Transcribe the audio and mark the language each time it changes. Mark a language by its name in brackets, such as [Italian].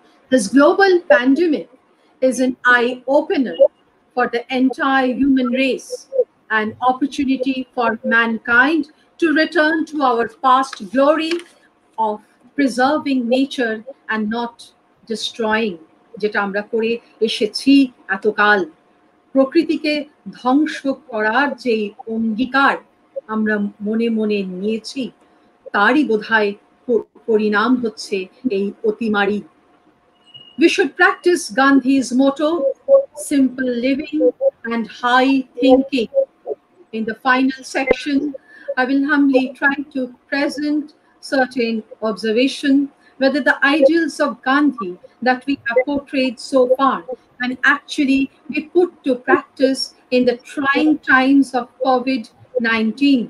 [English] This global pandemic is an eye-opener for the entire human race, an opportunity for mankind to return to our past glory of preserving nature and not destroying. [Bangla] যেটা আমরা করে এসেছি এতকাল, প্রকৃতিকে ধ্বংস করার যে অঙ্গীকার আমরা মনে মনে নিয়েছি, তারই বোধহয় পরিণাম হচ্ছে এই অতিমারি। [English] We should practice Gandhi's motto, simple living and high thinking. In the final section, I will humbly try to present certain observation whether the ideals of Gandhi that we have portrayed so far can actually be put to practice in the trying times of COVID-19.